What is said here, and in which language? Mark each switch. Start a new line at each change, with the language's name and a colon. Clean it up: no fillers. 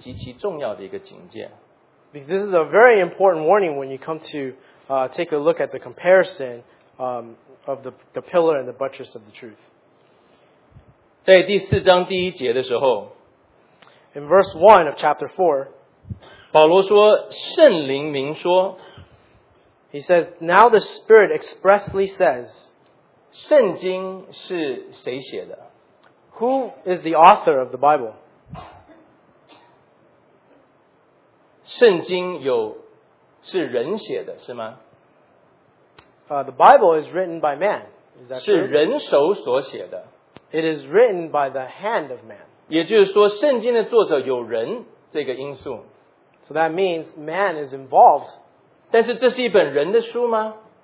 Chinese: 所以因为他这个对比是在最重要的真理告诉我们的时候所提出来的这个警戒，所以我们知道这是极其重要的一个警戒。
English: Because this is a very important warning when you come to take a look at the comparison of the pillar and the buttress of the truth.
Chinese: 在第四章第一节的时候,
English: In verse 1 of chapter 4,
Chinese: 保罗说, 圣灵明说,
English: He says, Now the Spirit expressly says,
Chinese: 圣经是谁写的?
English: Who is the author of the Bible?
Chinese: 圣经是人写的,是吗?
English: The Bible is written by man. Is that true?
Chinese: 是人手所写的。
English: It is written by the hand of man.
Chinese: 也就是说圣经的作者有人这个因素。
English: So that means man is involved.
Chinese: 但是这是一本人的书吗?